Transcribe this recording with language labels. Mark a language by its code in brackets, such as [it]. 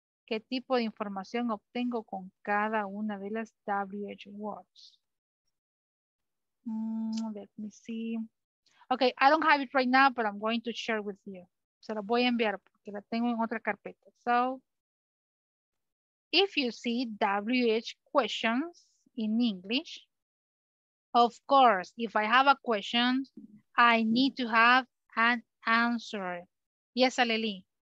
[es] ¿Qué tipo de información obtengo con cada una de las WH words? [en] Let me see. Okay, I don't have it right now, but I'm going to share with you. [es] Se la voy a enviar porque la tengo en otra carpeta. [en] So, if you see WH questions in English, Of course, if I have a question, I need to have an answer. Yes, Aleli.